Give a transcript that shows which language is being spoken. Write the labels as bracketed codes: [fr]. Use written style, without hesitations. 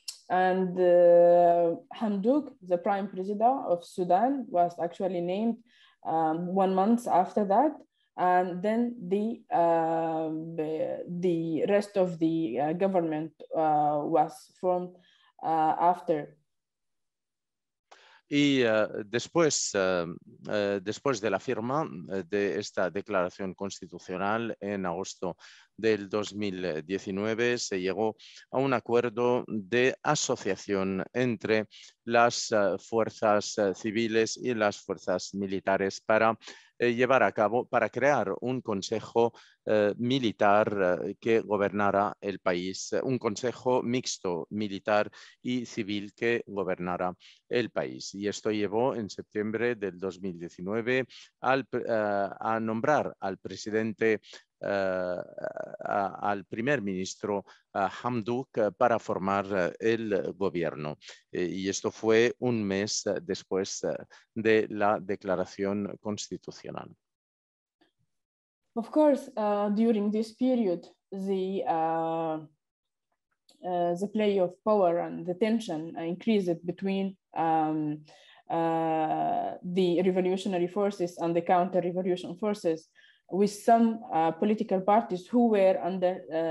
[en] And Hamdouk, the prime president of Sudan, was actually named 1 month after that. And then the rest of the government was formed after. [es] Y después, después de la firma de esta declaración constitucional en agosto del 2019, se llegó a un acuerdo de asociación entre las fuerzas civiles y las fuerzas militares para llevar a cabo, para crear un consejo militar que gobernara el país, un consejo mixto militar y civil que gobernara el país. Y esto llevó en septiembre del 2019 a nombrar al presidente, al primer ministro Hamdouk para formar el gobierno. Y esto fue un mes después de la declaración constitucional. [en] Of course, during this period, the play of power and the tension increased between the revolutionary forces and the counter-revolution forces, with some political parties who were under